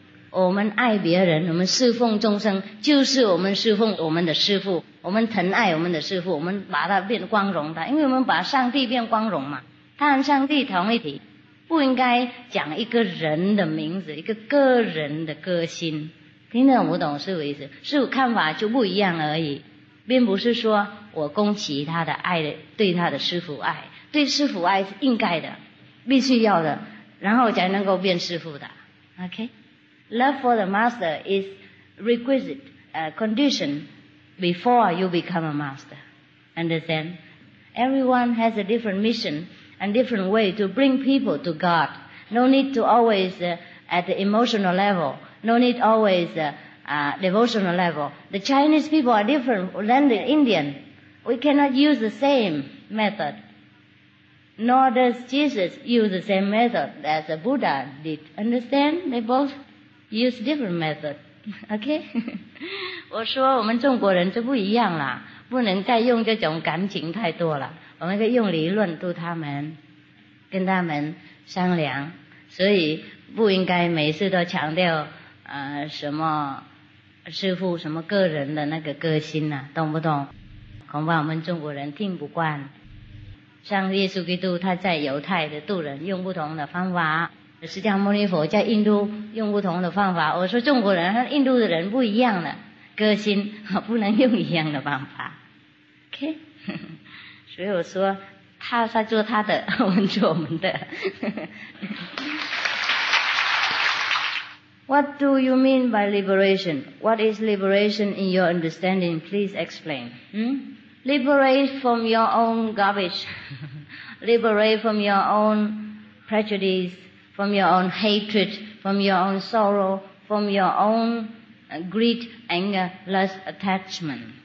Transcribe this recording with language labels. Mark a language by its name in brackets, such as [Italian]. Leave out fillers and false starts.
[Chinese] 我们爱别人，我们侍奉众生，就是我们侍奉我们的师父，我们疼爱我们的师父，我们把他变光荣的，因为我们把上帝变光荣嘛，他和上帝同一体，不应该讲一个人的名字，一个个人的个性，听得懂不懂师父意思？师父看法就不一样而已。并不是说我恭喜他的爱，对他的师父爱，对师父爱是应该的，必须要的，然后才能够变师父的。 [English] OK? Love for the master is requisite, condition before you become a master. Understand? Everyone has a different mission and different way to bring people to God. No need to always at the emotional level, no need always devotional level. The Chinese people are different than the Indian. We cannot use the same method. Nor does Jesus use the same method as the Buddha did. Understand? They both use different method. OK? [Chinese] 我说我们中国人就不一样了，不能再用这种感情太多了，我们可以用理论度他们，跟他们商量，所以不应该每次都强调什么师父什么个人的那个个性啊，懂不懂？恐怕我们中国人听不惯。像耶稣基督他在犹太的渡人用不同的方法，释迦牟尼佛在印度用不同的方法，我说中国人和印度的人不一样的个性，不能用一样的方法。 [English] OK? [Chinese] 所以我说他在做他的，我们做我们的。 [English] What do you mean by liberation? What is liberation in your understanding? Please explain. Liberate from your own garbage. Liberate from your own prejudice, from your own hatred, from your own sorrow, from your own greed, anger, lust, attachment.